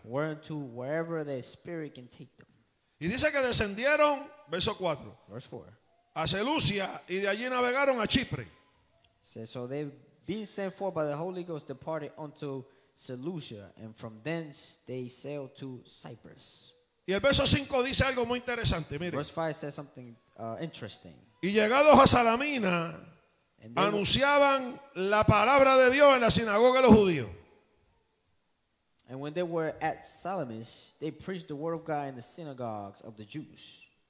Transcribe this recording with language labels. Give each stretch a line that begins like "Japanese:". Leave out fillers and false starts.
English: where to wherever the Spirit can take them.
Spanish: Y dice que descendieron, verso 4,
English: verse 4,
Spanish: a Seleucia, y de allí navegaron a Chipre.
English: So they being sent forth by the Holy Ghost departed unto Seleucia, and from thence they sailed to Cyprus.
Spanish: Y el verso 5 dice algo muy interesante, mire.
English: Verse 5 says something interesting.
Spanish: Y llegados a Salamina, anunciaban la palabra de Dios en la sinagoga de los judíos.
English: And when they were at Salamis, they preached the word of God in the synagogues of the Jews.